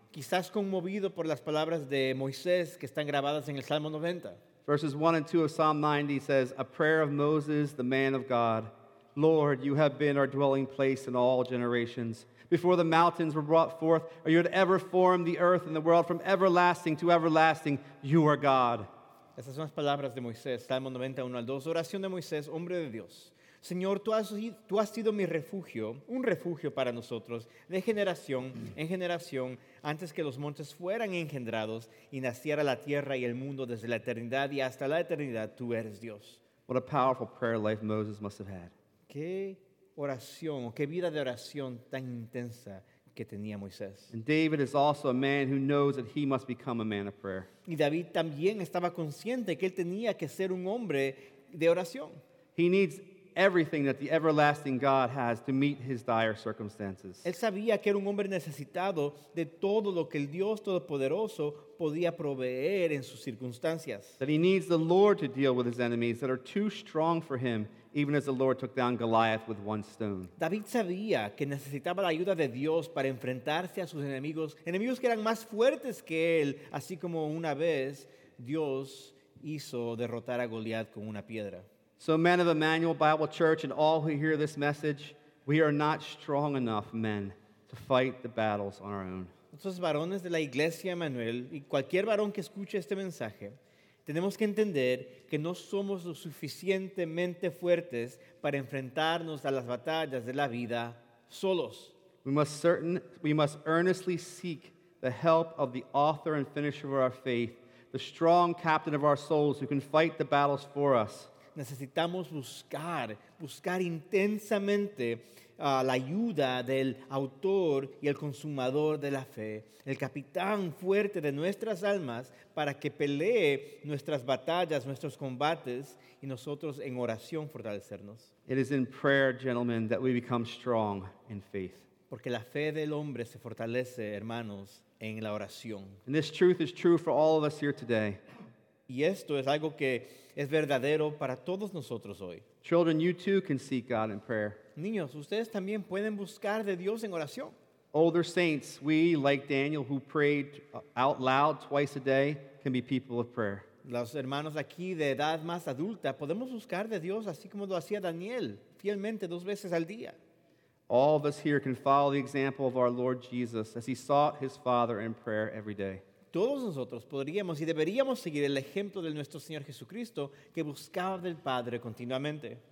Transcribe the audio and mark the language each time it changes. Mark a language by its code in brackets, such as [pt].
[es] Quizás conmovido por las palabras de Moisés que están grabadas en el Salmo 90. [en] Verses 1 and 2 of Psalm 90 says, A prayer of Moses, the man of God. Lord, you have been our dwelling place in all generations. Before the mountains were brought forth, or you had ever formed the earth and the world from everlasting to everlasting, you are God. [es] Esas son las palabras de Moisés, Salmo 91 al 2. Oración de Moisés, hombre de Dios. Señor, tú has sido mi refugio, un refugio para nosotros, de generación en generación, antes que los montes fueran engendrados y naciera la tierra y el mundo desde la eternidad y hasta la eternidad, tú eres Dios. [en] What a powerful prayer life Moses must have had. [es] ¿Qué oración, qué vida de oración tan intensa que tenía Moisés? [en] And David is also a man who knows that he must become a man of prayer. [es] Y David también estaba consciente que él tenía que ser un hombre de oración. [en] He needs everything that the everlasting God has to meet his dire circumstances. [es] Él sabía que era un hombre necesitado de todo lo que el Dios Todopoderoso podía proveer en sus circunstancias. [en] That he needs the Lord to deal with his enemies that are too strong for him, even as the Lord took down Goliath with one stone. [es] David sabía que necesitaba la ayuda de Dios para enfrentarse a sus enemigos, enemigos que eran más fuertes que él, así como una vez Dios hizo derrotar a Goliath con una piedra. [en] So men of Emmanuel Bible Church and all who hear this message, We are not strong enough, men, to fight the battles on our own. [es] Nosotros, varones de la iglesia, Manuel, y cualquier varón que escuche este mensaje, tenemos que entender que no somos lo suficientemente fuertes para enfrentarnos a las batallas de la vida solos. [en] We must earnestly seek the help of the author and finisher of our faith, the strong captain of our souls who can fight the battles for us. [es] Necesitamos buscar intensamente la ayuda del autor y el consumador de la fe, el capitán fuerte de nuestras almas, para que pelee nuestras batallas, nuestros combates, y nosotros en oración fortalecernos. [en] It is in prayer, gentlemen, that we become strong in faith. [es] Porque la fe del hombre se fortalece, hermanos, en la oración. [en] And this truth is true for all of us here today. [es] Y esto es algo que es verdadero para todos nosotros hoy. [en] Children, you too can seek God in prayer. [es] Niños, ustedes también pueden buscar de Dios en oración. [en] Older saints, we, like Daniel, who prayed out loud twice a day, can be people of prayer. [es] Los hermanos aquí de edad más adulta, podemos buscar de Dios así como lo hacía Daniel, fielmente dos veces al día. [en] All of us here can follow the example of our Lord Jesus as he sought his Father in prayer every day. [es] Todos nosotros podríamos y deberíamos seguir el ejemplo de nuestro Señor Jesucristo que buscaba del Padre continuamente.